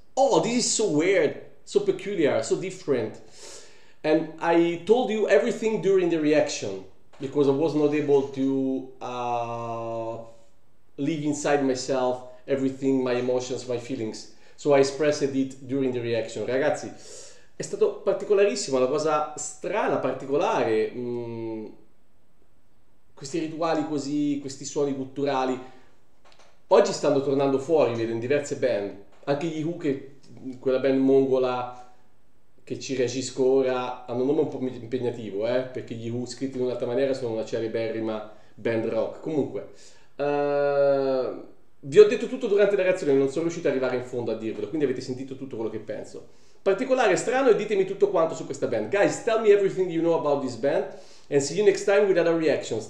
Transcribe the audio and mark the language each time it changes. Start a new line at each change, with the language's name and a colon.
English: Oh, this is so weird, so peculiar, so different. And I told you everything during the reaction because I was not able to leave inside myself everything, my emotions, my feelings. So I expressed it during the reaction.
Italian: Ragazzi, è stato particolarissimo, una cosa strana, particolare. Questi rituali così, questi suoni gutturali. Oggi stanno tornando fuori, vedo, in diverse band. Anche gli Who, che quella band mongola che ci reagisco ora, hanno un nome un po' impegnativo, perché gli Who scritti in un'altra maniera sono una celeberrima band rock. Comunque, vi ho detto tutto durante la reazione, non sono riuscito ad arrivare in fondo a dirvelo, quindi avete sentito tutto quello che penso. Particolare, strano, e ditemi tutto quanto su questa band.
English: Guys, tell me everything you know about this band and see you next time with other reactions.